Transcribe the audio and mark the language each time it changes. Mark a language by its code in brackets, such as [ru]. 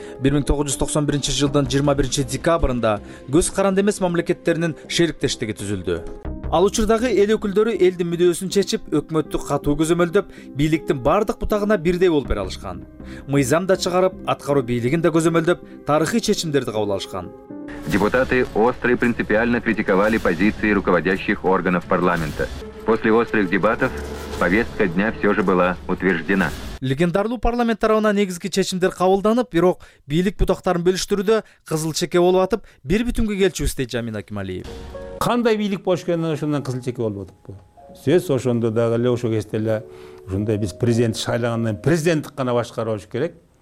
[ky] 1991 жылдын 21 декабрында көз каранды эмес мамлекеттеринин шериктештиги түзүлдү. Ал учурдагы эл өкүлдөрү элдин мүдөөсүн чечип, өкмөттү катуу көзөмөлдөп, бийликтин бардык бутагына бирдей болуп бере алышкан. Мыйзам да чыгарып, аткаруу бийлигин да көзөмөлдөп, тарыхый чечимдерди кабыл алышкан. [ru] Депутаты остро и принципиально критиковали позиции руководящих органов парламента. После острых дебатов повестка дня все же была утверждена. [ky] Легендарлуу парламент тарабынан негизги чечимдер кабылданып, бирок бийлик бутактарын бөлүштүрүүдө кызыл чеке болуп атып, бир бүтүнгө келчүбүз дейт Жамин Акималиев. Кандай бийлик болуш керек, ошондон кызыл чеке болуп атып. Сөз ошондо дагы эле ошо кезде эле ушундай биз президент шайлагандан президенттик гана башкарылыш керек.